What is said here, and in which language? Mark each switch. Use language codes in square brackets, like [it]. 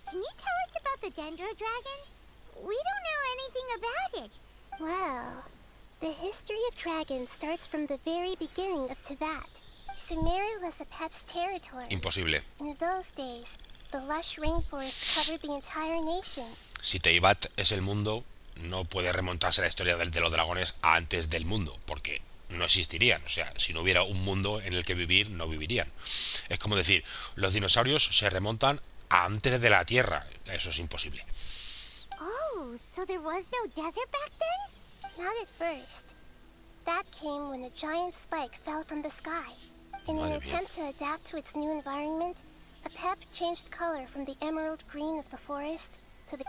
[en] Can you tell us about the Dendro Dragon? We don't know anything about it. Well, the history of dragons starts from the very beginning of Teyvat. Sumeru was a Pep's territory. [es] Imposible. [en] In those days, the lush rainforest covered the entire nation. [es] Si Teyvat es el mundo, no puede remontarse a la historia de los dragones antes del mundo, porque no existirían. O sea, si no hubiera un mundo en el que vivir, no vivirían. Es como decir, los dinosaurios se remontan antes de la Tierra. Eso es imposible. [en] So there was no desert back then? Not at first. That came when a giant spike fell from the sky. In an attempt to adapt to its new environment, The pep changed color from the emerald green of the forest to the...